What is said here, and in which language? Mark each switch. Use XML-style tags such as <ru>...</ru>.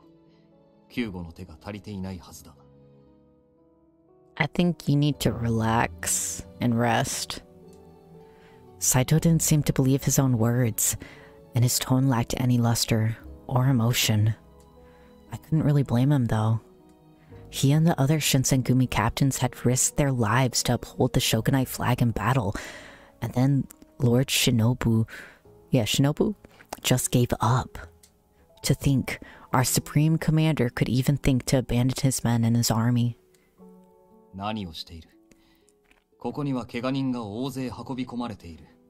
<ja>すまない。考え事をしていた。先ほど副長が言っていた通り、上には上の事情が。自分たちには自分たちのすべきことがある。まず負傷者の状況を確認しよう。救護の手が足りていないはずだ。</ja> <en>I think you need to relax and rest. Saito didn't seem to believe his own words, and his tone lacked any luster or emotion. I couldn't really blame him, though. He and the other Shinsengumi captains had risked their lives to uphold the Shogunate flag in battle, and then Lord Shinobu... Yeah, Shinobu? Just gave up. To think, our supreme commander could even think to abandon his men and his army.</en> <ja>何をしている。ここには怪我人が大勢運び込まれている。</ja>